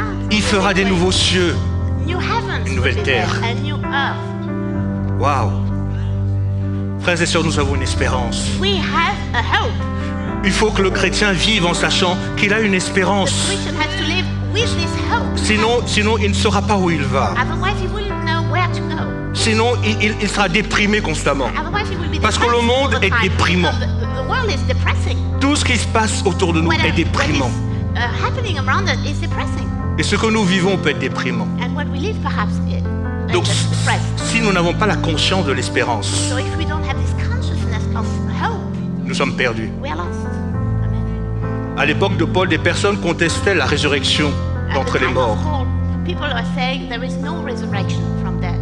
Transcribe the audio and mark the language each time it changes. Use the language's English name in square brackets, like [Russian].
[French] Il fera des nouveaux cieux, une nouvelle terre. Waouh! Frères et sœurs, nous avons une espérance. [English] We have a hope. [French] Il faut que le chrétien vive en sachant qu'il a une espérance. [English] The Christian has to live with this hope. [French] Sinon, il ne saura pas où il va. [English] Otherwise, he wouldn't know where to go. [French] Sinon, il sera déprimé constamment. [English] Otherwise, he will be depressed. [French] Parce que le monde est déprimant. [English] The world is depressing. [French] Tout ce qui se passe autour de nous [English] what [French] est déprimant. [English] What is, happening around us is depressing. [French] Et ce que nous vivons peut être déprimant. [English] And what we live, perhaps, [French] donc, si nous n'avons pas la conscience de l'espérance, [English] so if we don't have this consciousness of hope, [French] nous sommes perdus. [English] We are lost. Amen. [French] À l'époque de Paul, des personnes contestaient la résurrection d'entre les morts. [English] People are saying there is no resurrection from death.